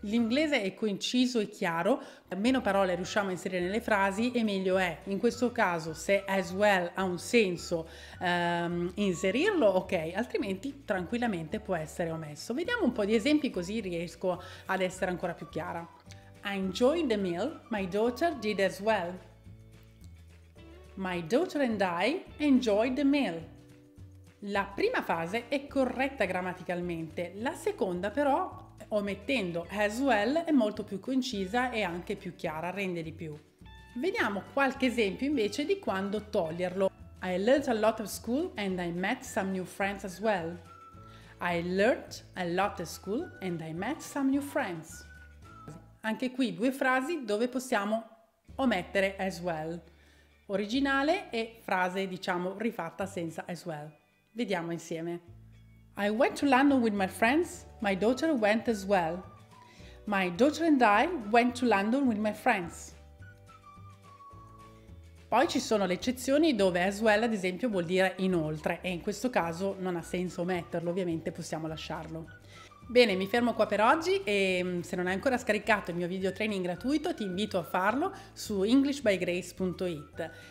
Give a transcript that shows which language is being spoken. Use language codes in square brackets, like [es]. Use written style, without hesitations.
[it] L'inglese è conciso e chiaro, meno parole riusciamo a inserire nelle frasi e meglio è. In questo caso, se as well ha un senso inserirlo, ok, altrimenti tranquillamente può essere omesso. Vediamo un po' di esempi così riesco ad essere ancora più chiara. [en] I enjoyed the meal, my daughter did as well. My daughter and I enjoyed the meal. [it] La prima fase è corretta grammaticalmente, la seconda però, omettendo as well, è molto più concisa e anche più chiara, rende di più. Vediamo qualche esempio invece di quando toglierlo. [en] I learned a lot at school and I met some new friends as well. I learned a lot at school and I met some new friends. [it] Anche qui due frasi dove possiamo omettere as well. Originale e frase, diciamo, rifatta senza as well. Vediamo insieme. [en] I went to London with my friends. My daughter went as well. My daughter and I went to London with my friends. [it] Poi ci sono le eccezioni dove as well, ad esempio, vuol dire inoltre, e in questo caso non ha senso metterlo, ovviamente possiamo lasciarlo. Bene, mi fermo qua per oggi e se non hai ancora scaricato il mio video training gratuito, ti invito a farlo su englishbygrace.it.